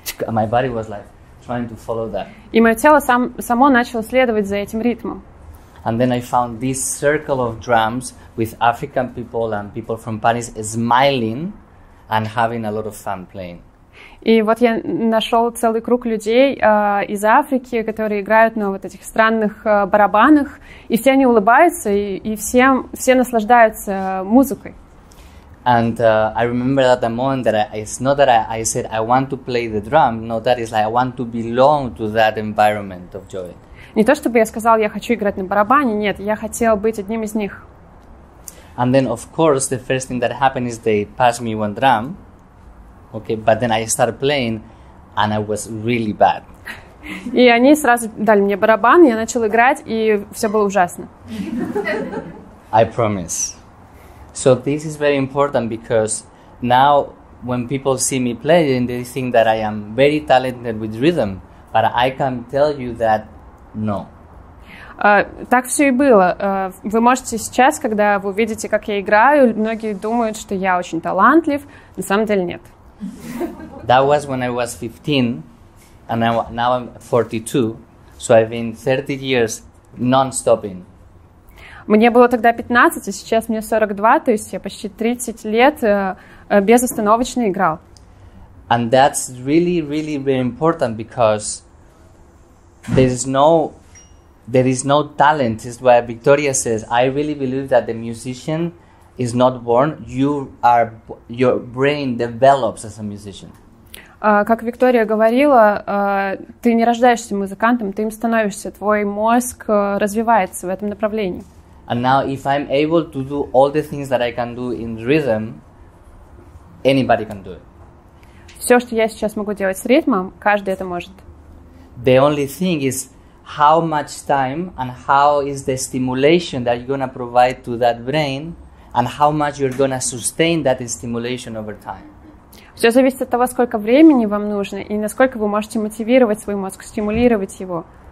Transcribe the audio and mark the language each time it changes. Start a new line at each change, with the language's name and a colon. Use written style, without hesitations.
English: My body was like trying to follow that.
Russian: И мое тело само начало следовать за этим ритмом.
English: And then I found this circle of drums with African people and people from Paris smiling and having a lot of fun playing.
Russian: И вот я нашел целый круг людей из Африки, которые играют на вот этих странных барабанах, и все они улыбаются, и все наслаждаются музыкой.
English: And I remember at the moment that I said I want to play the drum, no, that is like I want to belong to that environment of joy.
Russian: Не то чтобы я сказал, я хочу играть на барабане, нет, я хотел быть одним из них.
English: And then, of course, the first thing that happened is they passed me one drum. Okay, but then I started playing, and I was really bad.
Russian: И они сразу дали мне барабан, я начал играть, и все было ужасно.
English: I promise. So this is very important because now when people see me playing, they think that I am very talented with rhythm, but I can tell you that no.
Russian: Так все и было. Вы можете сейчас, когда вы увидите, как я играю, многие думают, что я очень талантлив, на самом деле нет.
English: That was when I was 15, and now I'm 42, so I've been 30 years non-stopping.
Russian: Мне было тогда 15, а сейчас мне 42, то есть я почти 30 лет безостановочно играл.
English: And that's really, really, really important because there is no talent. It's why Victoria says, I really believe that the musician is not born, your brain develops as a musician.
Russian: Как Виктория говорила, ты не рождаешься музыкантом, ты им становишься, твой мозг развивается в этом направлении.
English: And now if I'm able to do all the things that I can do in rhythm, anybody can do it.
Russian: Все, что я сейчас могу делать с ритмом, каждый это может.
English: The only thing is how much time and how is the stimulation that you're gonna provide to that brain and how much you're gonna sustain that stimulation over time.
Russian: Все зависит от того, сколько времени вам нужно и насколько вы можете мотивировать свой мозг, стимулировать его.